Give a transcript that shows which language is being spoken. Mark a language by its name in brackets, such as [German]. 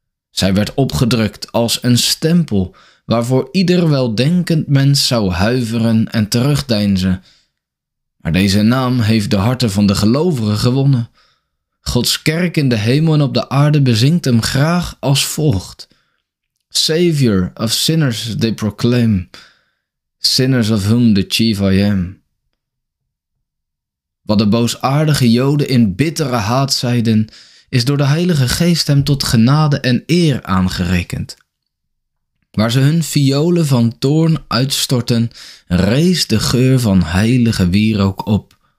[Dutch] Zij werd opgedrukt als een stempel waarvoor ieder weldenkend mens zou huiveren en terugdeinzen. Maar deze naam heeft de harten van de gelovigen gewonnen. Gods kerk in de hemel en op de aarde bezingt hem graag als volgt. [English] Savior of sinners they proclaim, sinners of whom the chief I am. [Dutch] Wat de boosaardige Joden in bittere haat zeiden, is door de Heilige Geest hem tot genade en eer aangerekend. Waar ze hun violen van toorn uitstorten, rees de geur van heilige wierook op.